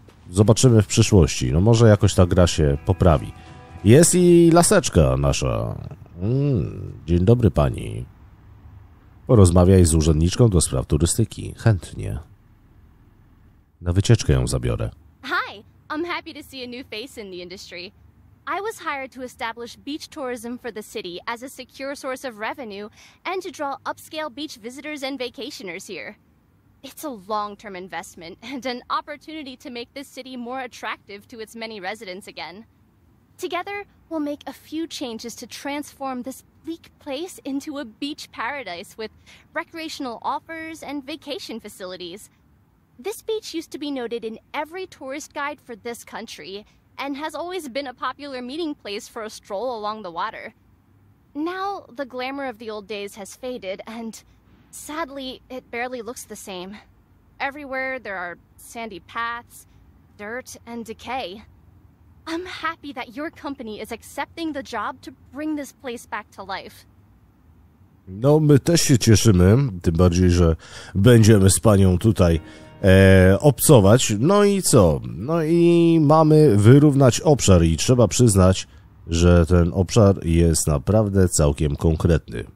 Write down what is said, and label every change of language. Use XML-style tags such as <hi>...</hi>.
<pl>Zobaczymy w przyszłości. No może jakoś ta gra się poprawi. Jest i laseczka nasza. Dzień dobry pani. Porozmawiaj z urzędniczką do spraw turystyki. Chętnie. Na wycieczkę ją zabiorę.</pl> <en>Hi, I'm happy to see a new face in the industry. I was hired to establish beach tourism for the city as a secure source of revenue and to draw upscale beach visitors and vacationers here. It's a long-term investment and an opportunity to make this city more attractive to its many residents again. Together, we'll make a few changes to transform this bleak place into a beach paradise with recreational offers and vacation facilities. This beach used to be noted in every tourist guide for this country and has always been a popular meeting place for a stroll along the water. Now, the glamour of the old days has faded and sadly, it barely looks the same. Everywhere there are sandy paths, dirt, and decay. I'm happy that your company is accepting the job to bring this place back to life.</en> <pl>No, my też się cieszymy, tym bardziej, że będziemy z panią tutaj obcować. No i co? No i mamy wyrównać obszar i trzeba przyznać, że ten obszar jest naprawdę całkiem konkretny.</pl>